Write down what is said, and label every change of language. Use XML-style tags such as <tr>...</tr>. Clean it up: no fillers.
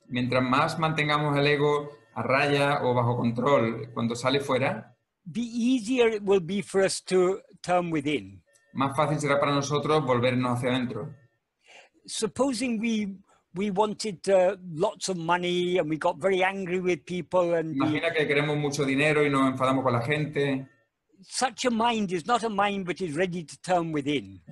<es>Mientras más mantengamos el ego... a raya o bajo control cuando sale fuera,</es> <en>the easier it will be for us to turn within.</en> <es>Más fácil será para nosotros volvernos hacia adentro.</es> <en>Supposing we wanted lots of money and we got very angry with people and</en> <es>imagina que queremos mucho dinero y nos enfadamos con la gente.</es> <en>Such a mind is not a mind which is ready to turn within.</en>